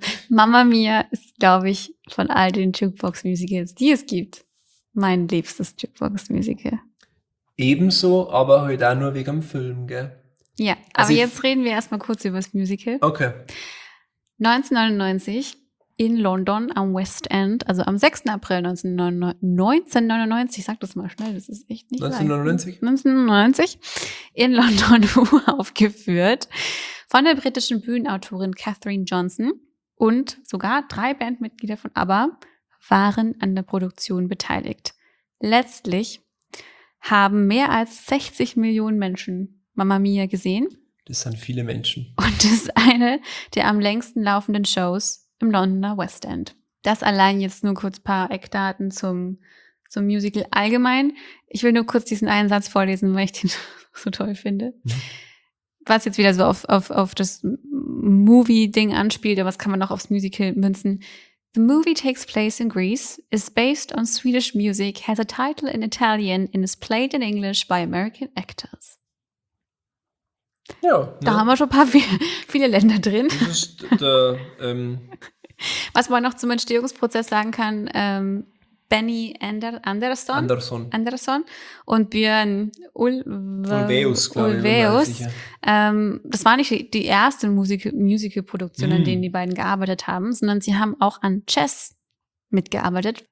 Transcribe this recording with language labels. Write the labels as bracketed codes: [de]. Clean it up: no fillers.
[de] Mama Mia ist, glaube ich, von all den Jukebox Musicals, die es gibt. Mein liebstes Jukebox-Musical. Ebenso, aber heute auch nur wegen dem Film, gell? Ja, also aber jetzt reden wir erstmal kurz über das Musical. Okay. 1999 in London am West End, also am 6. April 1999, sag das mal schnell, das ist echt nicht 1999 in London aufgeführt von der britischen Bühnenautorin Katherine Johnson und sogar drei Bandmitglieder von ABBA waren an der Produktion beteiligt. Letztlich haben mehr als 60 Millionen Menschen Mamma Mia gesehen. Das sind viele Menschen. Und das ist eine der am längsten laufenden Shows im Londoner West End. Das allein jetzt nur kurz ein paar Eckdaten zum Musical allgemein. Ich will nur kurz diesen einen Satz vorlesen, weil ich den so toll finde. was jetzt wieder so auf das Movie-Ding anspielt, aber was kann man noch aufs Musical münzen? [en] The movie takes place in Greece, is based on Swedish music, has a title in Italian and is played in English by American actors. [de] Ja. Da haben wir schon ein paar viele Länder drin. Das ist der, was man noch zum Entstehungsprozess sagen kann, Benny Andersson und Björn Ulvaeus, das war nicht die erste Musical-Produktion, an denen die beiden gearbeitet haben, sondern sie haben auch an Chess mitgearbeitet.